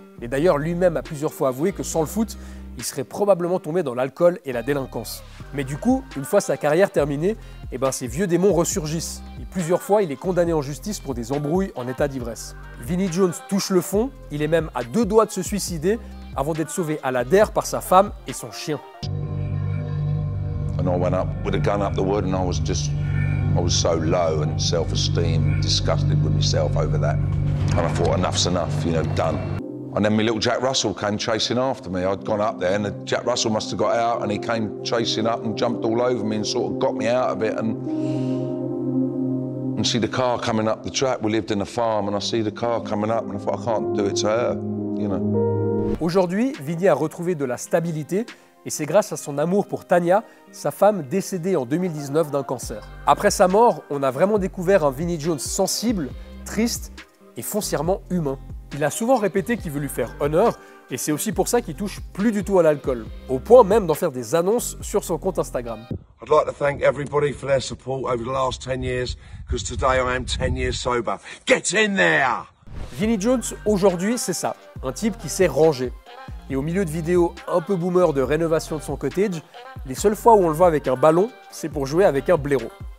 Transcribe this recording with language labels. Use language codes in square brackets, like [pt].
[fr] Et d'ailleurs, lui-même a plusieurs fois avoué que sans le foot, il serait probablement tombé dans l'alcool et la délinquance. Mais du coup, une fois sa carrière terminée, eh ben, ses vieux démons ressurgissent. Et plusieurs fois, il est condamné en justice pour des embrouilles en état d'ivresse. Vinnie Jones touche le fond, il est même à deux doigts de se suicider avant d'être sauvé à la der par sa femme et son chien. [en] And I went up with a gun up the wood and I was so low and self-esteem disgusted with myself over that. And I thought enough's enough, you know, done. And then my little Jack Russell came chasing after me. I'd gone up there and the Jack Russell must have got out and he came chasing up and jumped all over me and sort of got me out of it. And see the car coming up the track. We lived in a farm and I see the car coming up and I thought I can't do it to her, you know. [fr] Aujourd'hui, Vinnie a retrouvé de la stabilité et c'est grâce à son amour pour Tania, sa femme décédée en 2019 d'un cancer. Après sa mort, on a vraiment découvert un Vinnie Jones sensible, triste et foncièrement humain. Il a souvent répété qu'il veut lui faire honneur et c'est aussi pour ça qu'il touche plus du tout à l'alcool, au point même d'en faire des annonces sur son compte Instagram. [en] I'd like to thank everybody for their support over the last 10 years, because today I am 10 years sober. Get in there! [fr] Vinnie Jones, aujourd'hui, c'est ça, un type qui s'est rangé. Et au milieu de vidéos un peu boomer de rénovation de son cottage, les seules fois où on le voit avec un ballon, c'est pour jouer avec un blaireau.